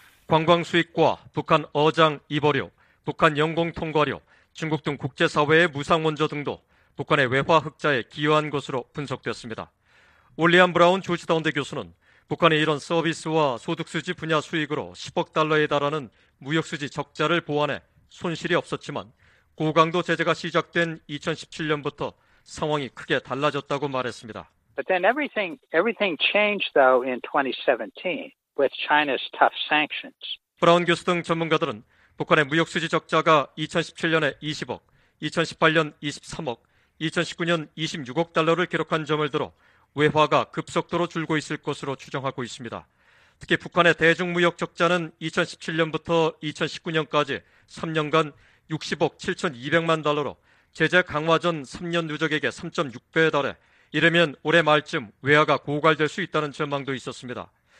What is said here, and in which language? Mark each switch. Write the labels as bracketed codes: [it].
[ko] 관광 수익과 북한 어장 이버료, 북한 영공 통과료, 중국 등 국제사회의 무상 원조 등도 북한의 외화 흑자에 기여한 것으로 분석됐습니다. 올리안 브라운 조지 다운대 교수는 북한의 이런 서비스와 소득수지 분야 수익으로 10억 달러에 달하는 무역수지 적자를 보완해 손실이 없었지만 고강도 제재가 시작된 2017년부터 상황이 크게 달라졌다고 말했습니다. [en] But then everything changed though in 2017 with China's tough sanctions. [ko] 브라운 교수 등 전문가들은 북한의 무역수지 적자가 2017년에 20억, 2018년 23억, 2019년 26억 달러를 기록한 점을 들어 외화가 급속도로 줄고 있을 것으로 추정하고 있습니다. 특히 북한의 대중무역 적자는 2017년부터 2019년까지 3년간 60억 7,200만 달러로 제재 강화 전 3년 누적액의 3.6배에 달해 이르면 올해 말쯤 외화가 고갈될 수 있다는 전망도 있었습니다.